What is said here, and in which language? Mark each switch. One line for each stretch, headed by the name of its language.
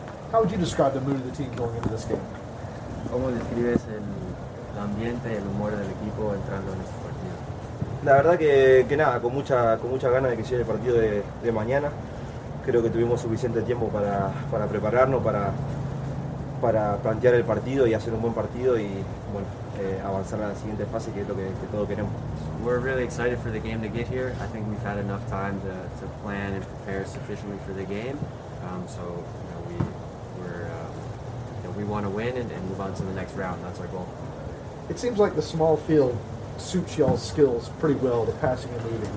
English: How would you describe the mood of the team going into this game?
Spanish: ¿Cómo describes el ambiente y el humor del equipo entrando en este partido? La verdad que nada, con mucha ganas de que llegue el partido de mañana. Creo que tuvimos suficiente tiempo para prepararnos, para plantear el partido y hacer un buen partido y bueno, avanzar a la siguiente fase, que es lo que todos queremos.
English: We're really excited for the game to get here. I think we've had enough time to plan and prepare sufficiently for the game. So you know, we want to win and move on to the next round. That's our goal. It seems like the small field suits y'all's skills pretty well, the passing and leading.